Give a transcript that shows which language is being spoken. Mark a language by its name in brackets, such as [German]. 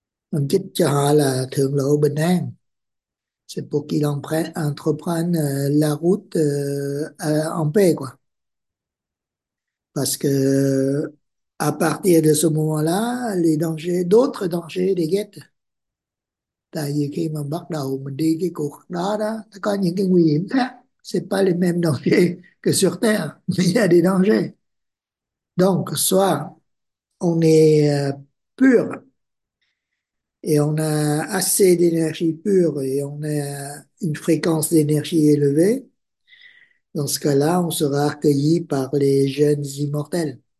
[Vietnamese] Mình chúc cho họ là thượng lộ bình an. [French] C'est pour qu'il entreprenne la route en paix, quoi. Parce que à partir de ce moment-là, les dangers, d'autres dangers les guettent. [Vietnamese] Tại vì khi mà bắt đầu mình đi cái cuộc đó đó, có những cái nguy hiểm khác. [French] C'est pas les mêmes dangers que sur Terre. Mais il y a des dangers. Donc, soit on est pur, et on a assez d'énergie pure et on a une fréquence d'énergie élevée, dans ce cas-là, on sera accueilli par les jeunes immortels.